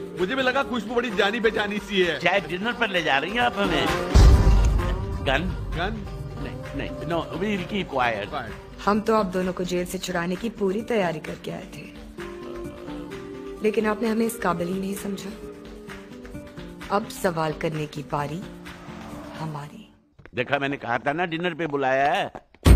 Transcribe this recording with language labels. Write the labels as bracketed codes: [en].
[hi] मुझे भी लगा खुशबू बड़ी जानी बेजानी सी है। शायद डिनर पर ले जा रही हैं आप हमें। [en] गन गन नहीं, no, we'll keep quiet. [hi] हम तो आप दोनों को जेल से छुड़ाने की पूरी तैयारी करके आए थे, लेकिन आपने हमें इस काबिल ही नहीं समझा। अब सवाल करने की पारी हमारी। देखा मैंने कहा था ना डिनर पे बुलाया है।